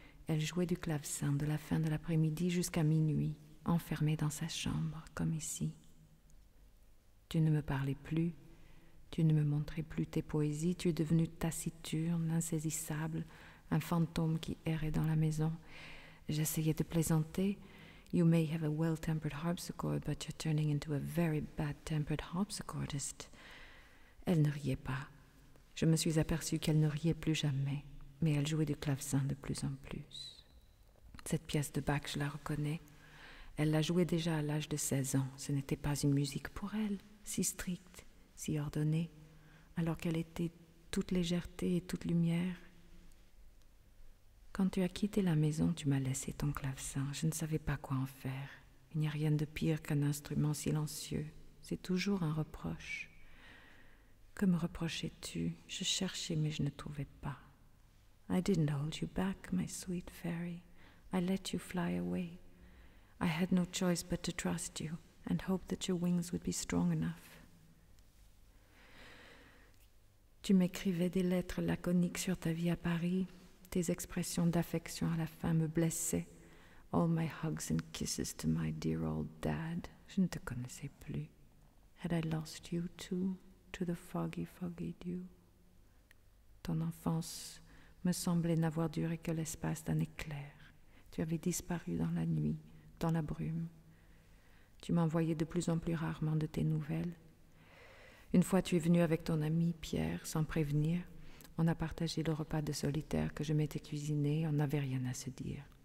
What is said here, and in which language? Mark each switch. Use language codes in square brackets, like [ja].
[fr] Elle jouait du clavecin de la fin de l'après-midi jusqu'à minuit, enfermée dans sa chambre, comme ici. Tu ne me parlais plus, tu ne me montrais plus tes poésies, tu es devenue taciturne, insaisissable, un fantôme qui errait dans la maison. J'essayais de plaisanter. [en] You may have a well-tempered harpsichord, but you're turning into a very bad-tempered harpsichordist. [fr] Elle ne riait pas. Je me suis aperçue qu'elle ne riait plus jamais. Mais elle jouait du clavecin de plus en plus. Cette pièce de Bach, je la reconnais. Elle la jouait déjà à l'âge de 16 ans. Ce n'était pas une musique pour elle, si stricte, si ordonnée, alors qu'elle était toute légèreté et toute lumière. Quand tu as quitté la maison, tu m'as laissé ton clavecin. Je ne savais pas quoi en faire. Il n'y a rien de pire qu'un instrument silencieux. C'est toujours un reproche. Que me reprochais-tu? Je cherchais, mais je ne trouvais pas. [en] I didn't hold you back, my sweet fairy. I let you fly away. I had no choice but to trust you and hope that your wings would be strong enough. [fr] Tu m'écrivais des lettres laconiques sur ta vie à Paris. Tes expressions d'affection à la fin me blessaient. [en] All my hugs and kisses to my dear old dad. [fr] Je ne te connaissais plus. [en] Had I lost you too, to the foggy, foggy dew? [fr] Ton enfance me semblait n'avoir duré que l'espace d'un éclair. Tu avais disparu dans la nuit, dans la brume. Tu m'envoyais de plus en plus rarement de tes nouvelles. Une fois, tu es venu avec ton ami Pierre, sans prévenir. On a partagé le repas de solitaire que je m'étais cuisiné, on n'avait rien à se dire.